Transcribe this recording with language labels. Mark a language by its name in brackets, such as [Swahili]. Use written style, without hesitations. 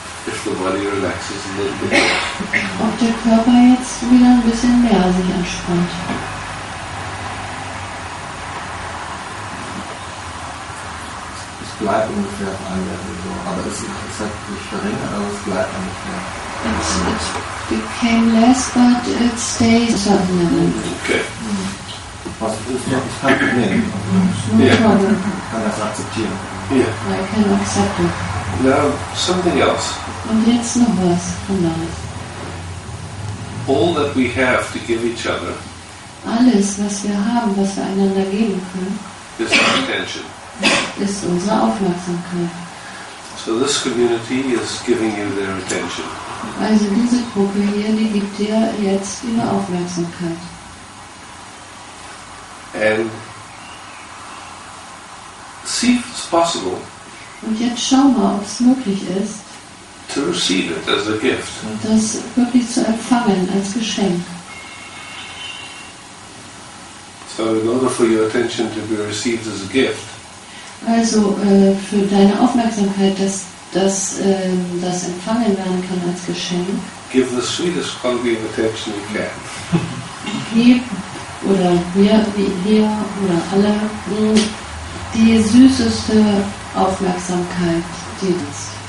[English] if the body relaxes a little bit. [German] Ob der Körper jetzt wieder ein bisschen mehr sich entspannt. Bleibt ungefähr auf einem Level so, aber es hat sich verringert, aber es bleibt nicht mehr. [English] It became less, but it stays at that level. Okay. [German] Was ist noch, ich kann es nehmen. [English] No problem. [German] Ich kann das akzeptieren. [English] Yeah. I can accept it. Now, something else. [German] Und jetzt noch was, genau. [English] All that we have to give each other. [German] Alles, was wir haben, was wir einander geben können. [English] Is our attention. [German] Ist unsere Aufmerksamkeit. [English] So this community is giving you their attention. [German] Also diese Gruppe hier, die gibt dir jetzt ihre Aufmerksamkeit. [English] And see if it's possible. [German] Und jetzt schau mal, ob es möglich ist, [English] to receive it as a gift. [German] Das wirklich zu empfangen als Geschenk. [English] So in order for your attention to be received as a gift. [German] Also für deine Aufmerksamkeit, dass das das empfangen werden kann als Geschenk. [English] Give the sweetest quality of attention you can. [German] Gib oder wir oder alle die süßeste Aufmerksamkeit, die das.